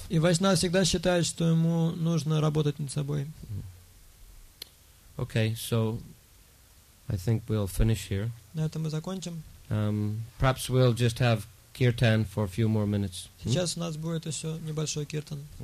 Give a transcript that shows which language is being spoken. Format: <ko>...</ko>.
<ru>И вайшнав всегда считает, что ему нужно работать над собой.</ru> <en>Okay, so I think we'll finish here.</en> <ru>На этом мы закончим.</ru> <en>Perhaps we'll just have kirtan for a few more minutes.</en> <ru>Сейчас у нас будет еще небольшой киртан.</ru>